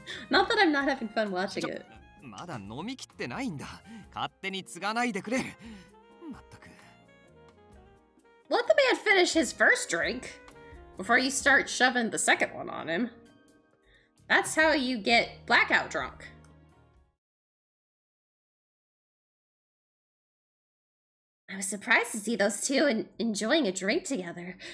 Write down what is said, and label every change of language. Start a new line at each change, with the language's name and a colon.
English: Not that I'm not having fun watching it.
Japanese: まだ飲み切ってないんだ。勝手に継がないでくれ。まったく。
English: Let the man finish his first drink before you start shoving the second one on him. That's how you get blackout drunk. I was surprised to see those two enjoying a drink together.